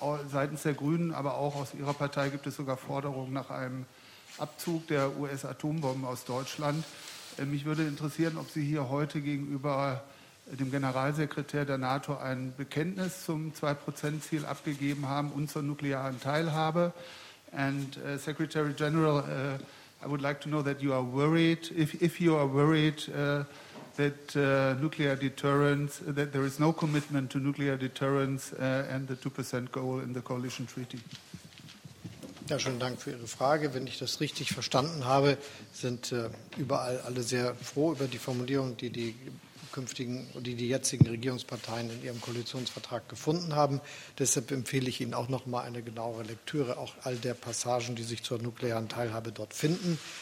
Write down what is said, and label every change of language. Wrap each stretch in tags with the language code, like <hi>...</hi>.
<de>Seitens der Grünen, aber auch aus Ihrer Partei, gibt es sogar Forderungen nach einem Abzug der US-Atombomben aus Deutschland. Mich würde interessieren, ob Sie hier heute gegenüber dem Generalsekretär der NATO ein Bekenntnis zum 2%-Ziel abgegeben haben und zur nuklearen Teilhabe.</de> <en>And Secretary General, I would like to know that you are worried, if you are worried that nuclear deterrence, that there is no commitment to nuclear deterrence and the 2% goal in the coalition treaty.</en> <de>Ja, schönen Dank für Ihre Frage. Wenn ich das richtig verstanden habe, sind überall alle sehr froh über die Formulierung, die die jetzigen Regierungsparteien in ihrem Koalitionsvertrag gefunden haben. Deshalb empfehle ich Ihnen auch noch mal eine genauere Lektüre auch all der Passagen, die sich zur nuklearen Teilhabe dort finden.</de>